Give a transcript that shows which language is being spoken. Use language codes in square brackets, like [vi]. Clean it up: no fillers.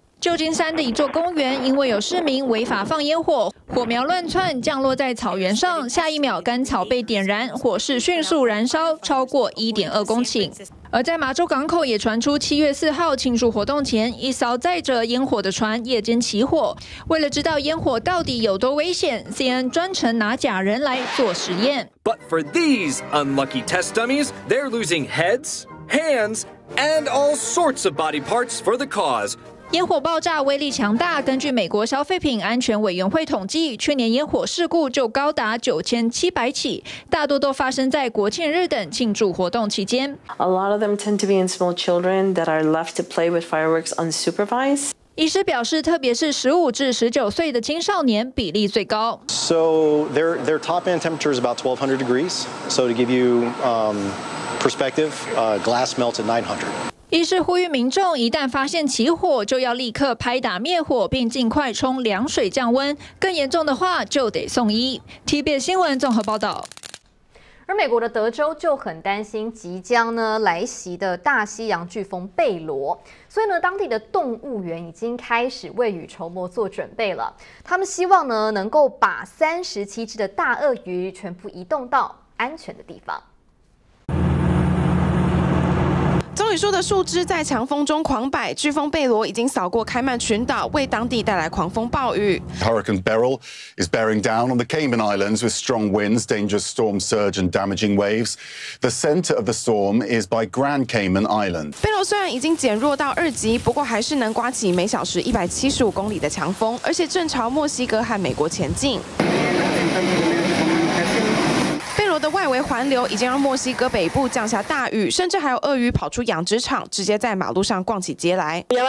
[zh] 旧金山的一座公园因为有市民违法放烟火，火苗乱窜降落在草原上，下一秒干草被点燃，火势迅速燃烧超过 1.2 公顷。而在麻州港口也传出7月4号庆祝活动前，一艘载着烟火的船夜间起火。为了知道烟火到底有多危险， CNN 专程拿假人来做实验。 [en] But for these unlucky test dummies, they're losing heads, hands and all sorts of body parts for the cause. [zh] 烟火爆炸威力强大，根据美国消费品安全委员会统计，去年烟火事故就高达9700起，大多都发生在国庆日等庆祝活动期间。 [en] A lot of them tend to be in small children that are left to play with fireworks unsupervised. [zh] 医师表示，特别是15至19岁的青少年比例最高。 [en] So their top end temperature is about 1200 degrees. So to give you perspective, glass melts at 900. [zh] 医师呼吁民众，一旦发现起火，就要立刻拍打灭火，并尽快冲凉水降温。更严重的话，就得送医。TVBS 新闻综合报道。而美国的德州就很担心即将呢来袭的大西洋飓风贝罗，所以呢当地的动物园已经开始未雨绸缪做准备了。他们希望呢能够把37只的大鳄鱼全部移动到安全的地方。棕榈树的树枝在强风中狂摆，飓风贝罗已经扫过开曼群岛，为当地带来狂风暴雨。 [en] Hurricane Beryl is bearing down on the Cayman Islands with strong winds, dangerous storm surge and damaging waves. The center of the storm is by Grand Cayman Island. [zh] 贝罗虽然已经减弱到二级，不过还是能刮起每小时175公里的强风，而且正朝墨西哥和美国前进。的外围环流已经让墨西哥北部降下大雨，甚至还有鳄鱼跑出养殖场，直接在马路上逛起街来。